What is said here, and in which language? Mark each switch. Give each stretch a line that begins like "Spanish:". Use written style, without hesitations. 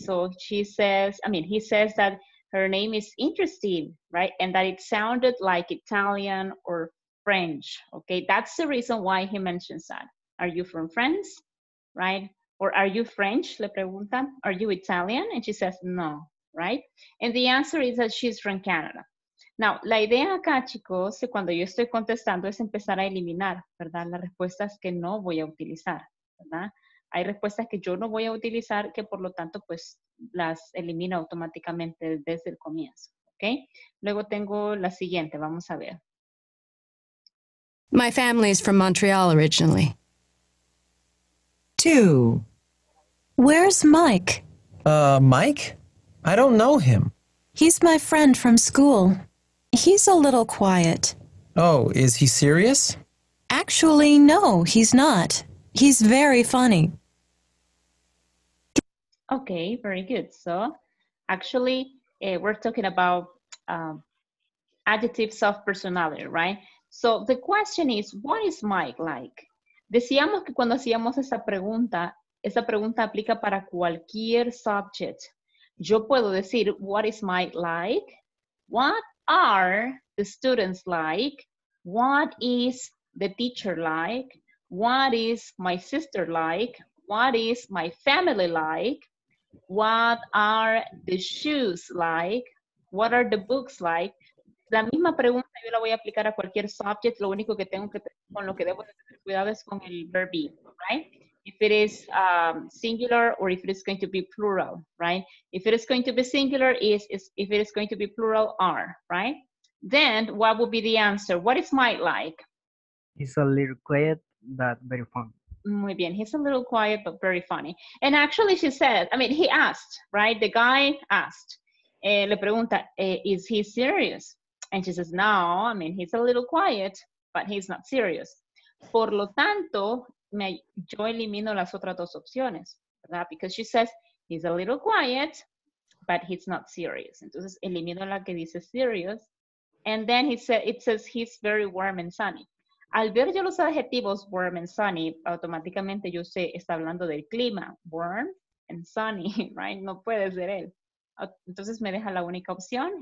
English: So he says that her name is interesting, right? And that it sounded like Italian or French, okay? That's the reason why he mentions that. Are you from France, right? Or are you French,
Spanish: le pregunta.
English: Are you Italian? And she says, no, right? And the answer is that she's from Canada.
Spanish: Now, la idea acá, chicos, cuando yo estoy contestando es empezar a eliminar, ¿verdad? Las respuestas que no voy a utilizar, ¿verdad? Hay respuestas que yo no voy a utilizar que por lo tanto, pues, las elimino automáticamente desde el comienzo, ¿ok? Luego tengo la siguiente, vamos a ver.
English: My family is from Montreal originally. 2. Where's Mike? Mike? I don't know him. He's my friend from school. He's a little quiet. Oh, is he serious? Actually, no, he's not. He's very funny. Okay, very good. So, actually, we're talking about adjectives of personality, right? So, the question is, what is Mike like?
Spanish: Decíamos que cuando hacíamos esa pregunta aplica para cualquier subject. Yo puedo decir,
English: what is Mike like? What are the students like? What is the teacher like? What is my sister like? What is my family like? What are the shoes like? What are the books like?
Spanish: La misma pregunta yo la voy a aplicar a cualquier subject. Lo único que tengo que con lo que debo tener cuidado es con el verb be, right?
English: If it is singular or if it is going to be plural, right? If it is going to be singular, if it is going to be plural, are, right? Then what would be the answer? What is Mike like? He's a little quiet, but very funny.
Spanish: Muy bien.
English: He's a little quiet, but very funny. And actually she said, he asked, right? The guy asked,
Spanish: le pregunta,
English: is he serious? And she says, no, he's a little quiet, but he's not serious.
Spanish: Por lo tanto, yo elimino las otras dos opciones, ¿verdad?
English: Because she says, he's a little quiet, but he's not serious.
Spanish: Entonces, elimino la que dice
English: serious And then he said, it says he's very warm and sunny.
Spanish: Al ver yo los adjetivos
English: warm and sunny,
Spanish: automáticamente yo sé, está hablando del clima.
English: Warm and sunny, right?
Spanish: No puede ser él. Entonces me deja la única opción.